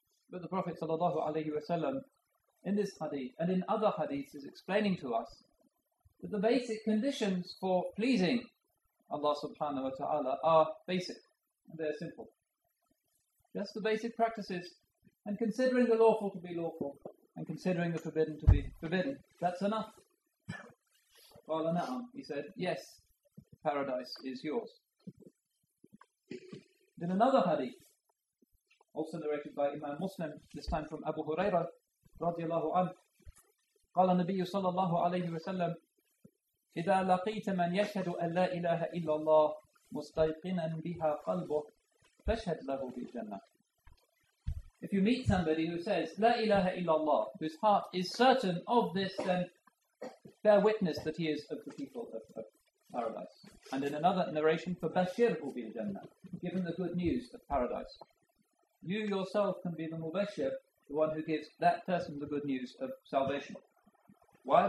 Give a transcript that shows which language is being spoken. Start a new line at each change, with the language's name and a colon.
English: But the Prophet sallallahu alaihi wasallam, in this hadith and in other hadiths, is explaining to us that the basic conditions for pleasing Allah subhanahu wa ta'ala are basic, and they are simple. Just the basic practices, and considering the lawful to be lawful, and considering the forbidden to be forbidden, that's enough. Qala na'am, he said, yes, paradise is yours. In another hadith, also narrated by Imam Muslim, this time from Abu Huraira, radiallahu anhu,
Arabic: قال النبي صلى الله عليه وسلم, إذا لقيت من يشهد أن لا إله إلا الله مستيقنا بها قلبه فاشهد له بالجنة.
English: If you meet somebody who says,
Arabic: لا إله إلا الله,
English: whose heart is certain of this, then bear witness that he is of the people of paradise. And in another narration,
Arabic: فَبَشِّرْهُ بِالْجَنَّةِ,
English: given the good news of paradise. You yourself can be the mubashir, the one who gives that person the good news of salvation. Why?